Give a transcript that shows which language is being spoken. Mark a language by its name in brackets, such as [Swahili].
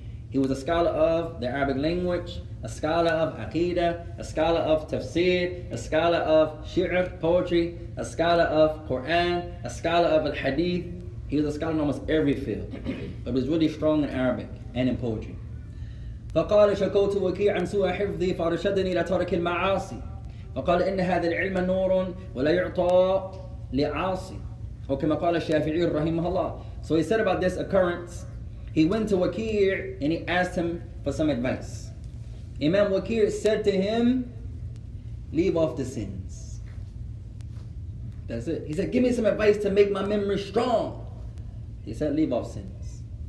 [English] He was a scholar of the Arabic language, a scholar of aqidah, a scholar of tafsir, a scholar of shi'r, poetry, a scholar of Quran, a scholar of al-hadith. He was a scholar in almost every field, but was really strong in Arabic and in poetry. [Arabic] فقال شكوت وكيع عن سوء حفظي فارشدني الى ترك المعاصي فقال ان هذا العلم نور ولا يعطى لعاصي وكما قال الشافعي رحمه الله. [English] So he said about this occurrence, he went to Waqi and he asked him for some advice. Imam Waqi said to him, leave off the sins. That's it. He said, give me some advice to make my memory strong. He said, leave off sins.